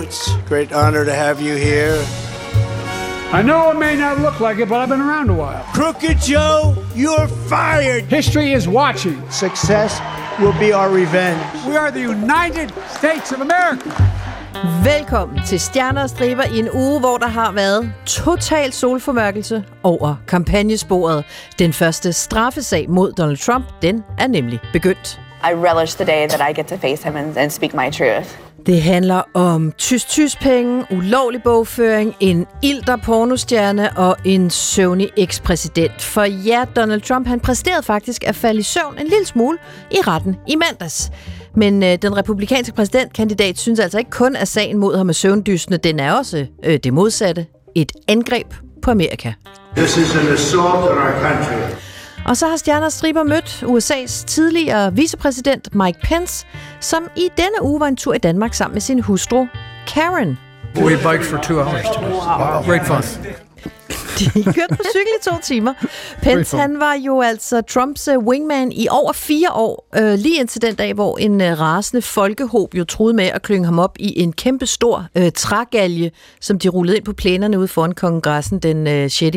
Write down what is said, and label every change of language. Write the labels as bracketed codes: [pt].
[en] It's a great honor to have you here. I know it may not look like it, but I've been around a while. Crooked Joe, you're fired. History is watching. Success will be our revenge. We are the United States of America. [da] Velkommen til Stjerner og Striber i en uge, hvor der har været total solformørkelse over kampagnesporet. Den første straffesag mod Donald Trump, den er nemlig begyndt. [en] I relish the day that I get to face him and speak my truth. [da] Det handler om tys-tys-penge, ulovlig bogføring, en ilter pornostjerne og en søvnig ekspræsident. For ja, Donald Trump, han præsterede faktisk at falde i søvn en lille smule i retten i mandags. Men den republikanske præsidentkandidat synes altså ikke kun, at sagen mod ham er søvndyssende. Den er også det modsatte. Et angreb på Amerika. [en] This is an assault on our country. [da] Og så har Stjerner og Striber mødt USA's tidligere vicepræsident Mike Pence, som i denne uge var en tur i Danmark sammen med sin hustru Karen. [en] We biked for 2 hours. Wow. Great fun. [da] De kørte på cykel i 2 timer. Pence, han var jo altså Trumps wingman i over 4 år, lige indtil den dag, hvor en rasende folkehob jo troede med at klynge ham op i en kæmpe stor trægalje, som de rullede ind på plænerne ude foran kongressen den 6.